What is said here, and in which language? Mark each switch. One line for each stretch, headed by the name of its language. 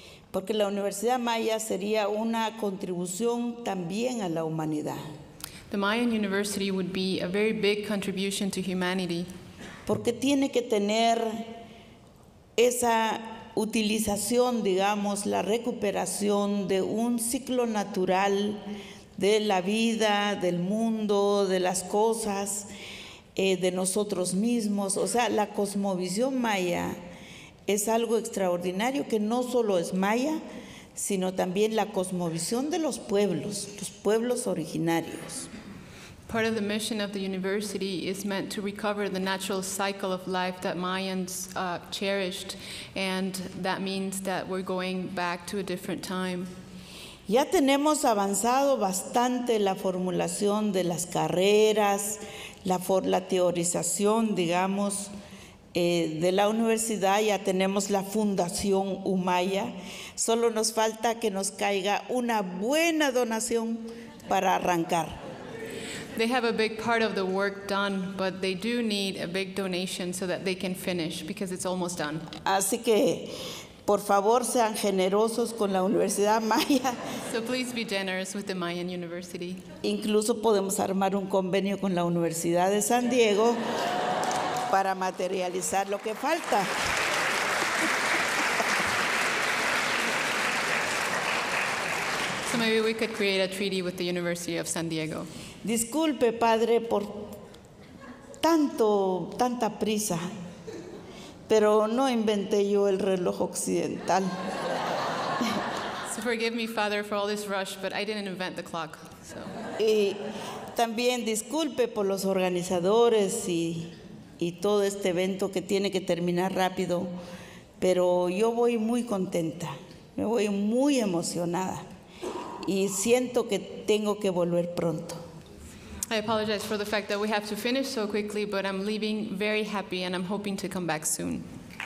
Spanish: Porque la Universidad Maya sería una contribución también a la humanidad.
English: The Mayan University would be a very big contribution to humanity.
Spanish: Porque tiene que tener esa utilización, digamos, la recuperación de un ciclo natural de la vida, del mundo, de las cosas, de nosotros mismos. O sea, la cosmovisión maya es algo extraordinario que no solo es maya, sino también la cosmovisión de los pueblos originarios.
English: Part of the mission of the university is meant to recover the natural cycle of life that Mayans cherished, and that means that we're going back to a different time.
Spanish: Ya tenemos avanzado bastante la formulación de las carreras, la teorización, digamos, de la universidad. Ya tenemos la Fundación Umaya. Solo nos falta que nos caiga una buena donación para arrancar.
English: They have a big part of the work done, but they do need a big donation so that they can finish, because it's almost done.
Spanish: Así que, por favor, sean generosos con la Universidad Maya.
English: So please be generous with the Mayan University.
Spanish: Incluso podemos armar un convenio con la Universidad de San Diego para materializar lo que falta.
English: So maybe we could create a treaty with the University of San Diego.
Spanish: Disculpe, padre, por tanta prisa, pero no inventé yo el reloj occidental.
English: So forgive me, father, for all this rush, but I didn't invent the clock. So.
Spanish: Y también disculpe por los organizadores y todo este evento que tiene que terminar rápido, pero yo voy muy contenta, me voy muy emocionada y siento que tengo que volver pronto.
English: I apologize for the fact that we have to finish so quickly, but I'm leaving very happy and I'm hoping to come back soon.